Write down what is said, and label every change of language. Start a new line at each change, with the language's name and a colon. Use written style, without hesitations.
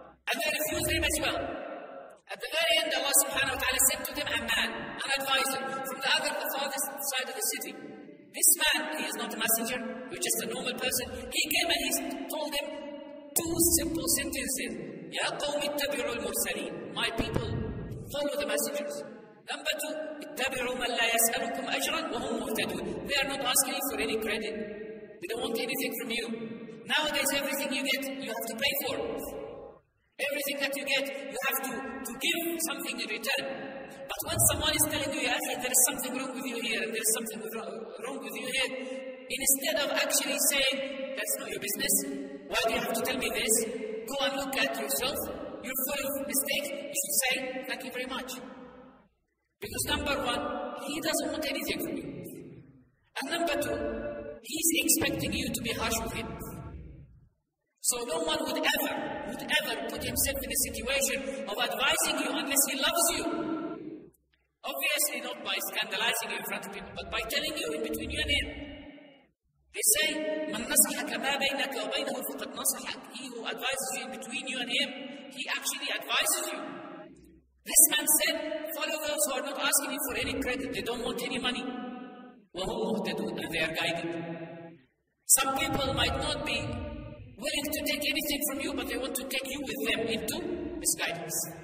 English: And they refused him as well. At the very end, Allah subhanahu wa ta'ala sent to them a man, an advisor, from the farthest side of the city. This man, he is not a messenger, he's just a normal person. He came and he told them two simple sentences.
Arabic: يَا قَوْمِ اتَّبِعُوا الْمُرْسَلِينَ.
English: My people, follow the messengers. Number two,
Arabic: اتَّبِعُوا مَنْ لَا يَسْأَلُكُمْ أَجْرًا وَهُمْ مُهْتَدُونَ.
English: They are not asking you for any credit. They don't want anything from you. Nowadays, everything you get, you have to pay for. Everything that you get, you have to give something in return. But when someone is telling you, yeah, there is something wrong with you here, and there is something wrong with you here, instead of actually saying, that's not your business, why do you have to tell me this? Go and look at yourself. You're full of mistakes. You should say, thank you very much. Because number one, he doesn't want anything from you. And number two, he's expecting you to be harsh with him. So no one would ever put himself in a situation of advising you unless he loves you. Obviously not by scandalizing you in front of people, but by telling you in between you and him. They say,
Arabic: مَنْ نَصَحَكَ مَا بَيْنَكَ وَبَيْنَهُ فَقَدْ نَصَحَكَ.
English: He who advises you in between you and him, he actually advises you. This man said, follow those who are not asking you for any credit, they don't want any money.
Arabic: وَهُمْ مُهْتَدُونَ.
English: And they are guided. Some people might not be willing to take anything from you, but they want to take you with them into misguidance.